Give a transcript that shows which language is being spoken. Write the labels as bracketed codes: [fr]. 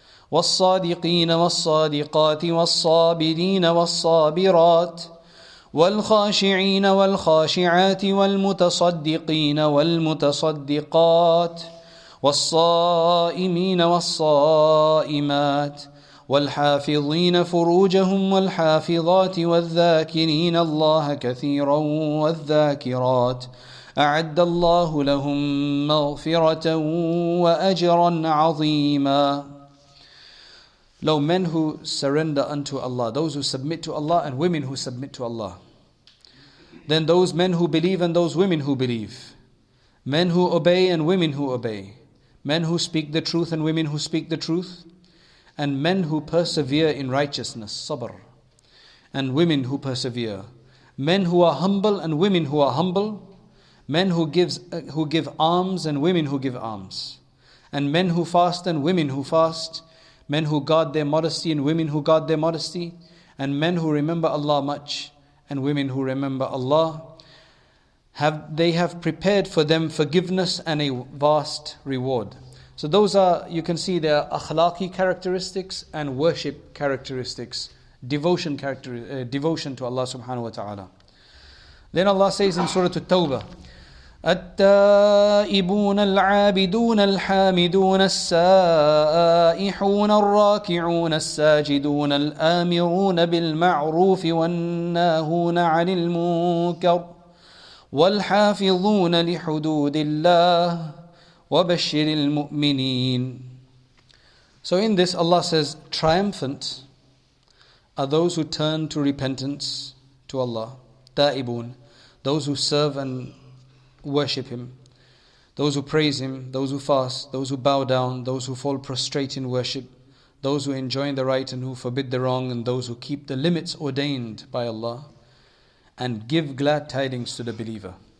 [ar] والصادقين والصادقات والصابرين والصابرات والخاشعين والخاشعات والمتصدقين والمتصدقات والصائمين والصائمات والحافظين فروجهم والحافظات والذاكرين الله كثيرا والذاكرات أعد الله لهم مغفرة وأجرا عظيما. [en] Lo, men who surrender unto Allah, those who submit to Allah, and women who submit to Allah. Then those men who believe and those women who believe. Men who obey and women who obey. Men who speak the truth and women who speak the truth. And men who persevere in righteousness, sabr. And women who persevere. Men who are humble and women who are humble. Men who give alms and women who give alms. And men who fast and women who fast. Men who guard their modesty and women who guard their modesty. And men who remember Allah much and women who remember Allah. They have prepared for them forgiveness and a vast reward. So those are, you can see, their akhlaqi characteristics and worship characteristics, devotion to Allah subhanahu wa ta'ala. Then Allah says in Surah At-Tawbah, [ar] التائبون العابدون الحامدون السائحون الراكعون الساجدون الآمرون بالمعروف والناهون عن المنكر والحافظون لحدود الله وبشر المؤمنين. [en] So in this Allah says, triumphant are those who turn to repentance to Allah. تائبون, those who serve and worship Him, those who praise Him, those who fast, those who bow down, those who fall prostrate in worship, those who enjoin the right and who forbid the wrong, and those who keep the limits ordained by Allah, and give glad tidings to the believer.